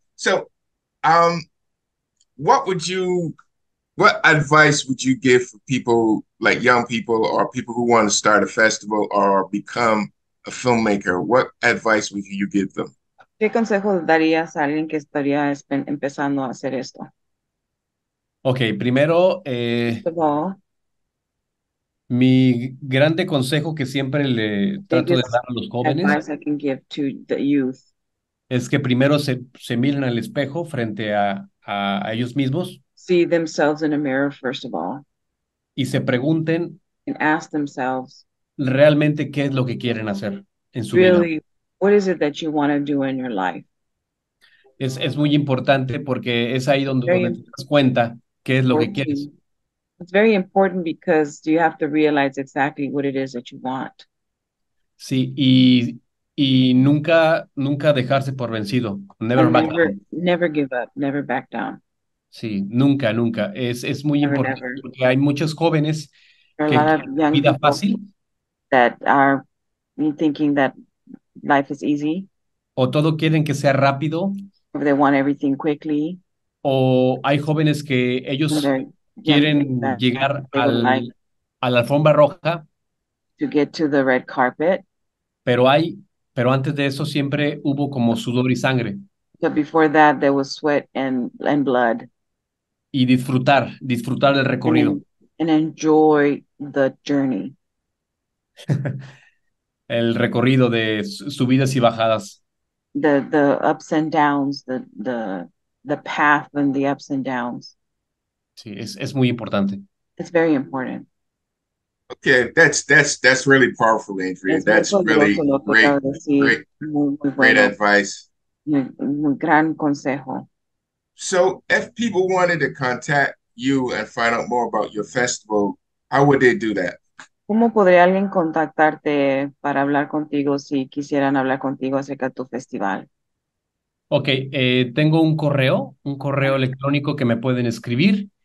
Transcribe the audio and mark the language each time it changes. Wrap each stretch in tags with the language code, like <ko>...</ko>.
<en>So, what advice would you give for people like young people or people who want to start a festival or become a filmmaker? What advice would you give them?</en> <es>¿Qué consejo darías a alguien que estaría empezando a hacer esto? Okay, primero, mi grande consejo que siempre le trato de dar a los jóvenes</es> <en>advice I can give to the youth.</en> <es>Es que primero se miren al espejo frente a ellos mismos.</es> <en>See themselves in a mirror, first of all.</en> <es>Y se pregunten</es> <en>and ask themselves,</en> <es>realmente qué es lo que quieren hacer en su</es> <en>really,</en> <es>vida.</es> <en>What is it that you want to do in your life?</en> <es>Es muy importante porque es ahí donde te das cuenta qué es lo que quieres.</es> <en>It's very important because you have to realize exactly what it is that you want.</en> <es>Sí, y nunca dejarse por vencido.</es> <en>Never give up, never back down.</en> <es>Sí, nunca. Es muy importante porque hay muchos jóvenes que tienen vida fácil.</es> <en>That are thinking that life is easy.</en> <es>O todo quieren que sea rápido.</es> <en>Or they want everything quickly.</en> <es>O hay jóvenes que ellos quieren llegar a la alfombra roja.</es> <en>To get to the red carpet.</en> <es>Pero antes de eso siempre hubo como sudor y sangre.</es> <en>But before that there was sweat and blood.</en> <es>Y disfrutar el recorrido.</es> <en>And enjoy the journey.</en> <es>El recorrido de subidas y bajadas.</es> <en>The ups and downs, the path and the ups and downs.</en> <es>Sí, es muy importante.</es> <en>It's very important. Okay, that's really powerful, Adrian. That's really great advice.</en> <es>Un gran consejo.</es> <en>So if people wanted to contact you and find out more about your festival, how would they do that?</en> <es>¿Cómo podría alguien contactarte para hablar contigo si quisieran hablar contigo acerca de tu festival? Okay, tengo un correo electrónico que me pueden escribir.</es>